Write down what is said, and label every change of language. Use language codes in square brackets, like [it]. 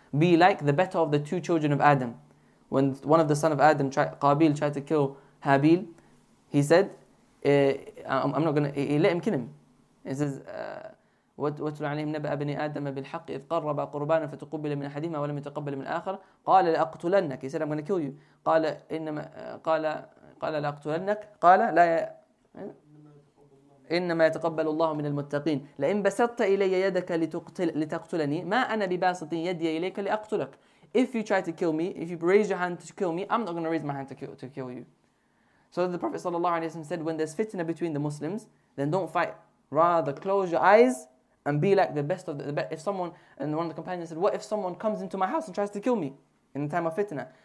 [en] Be like the better of the two children of Adam. When one of the son of Adam, Qabil, tried to kill Habil, he said, I'm not going to, let him kill him. He says, [ar] وَتْلُ عَلَيْهِمْ نَبَأَ بْنِي آدَمَ بِالْحَقِّ إِذْ قَرَّبَ قُرْبَانًا فَتُقُبِّلَ مِنْ أَحَدِهِمَا وَلَمْ يَتَقَبَّلْ مِنْ آخَرَ قَالَ لَأَقْتُلَنَّكَ. [en] He said, I'm going to kill you. [ar] قَالَ لَأَقْتُلَنَّكَ. قَالَ لَا إنما يتقبل الله من المتقين. لئن بسطت إلي يدك لتقتلني ما أنا بباسط يدي إليك لأقتلك. [en] If you try to kill me, if you raise your hand to kill me, I'm not going to raise my hand to kill you. So the Prophet ﷺ said, when there's fitna between the Muslims, then don't fight. Rather, close your eyes and be like the best of the best. If someone, and one of the companions said, what if someone comes into my house and tries to kill me in the time of fitna?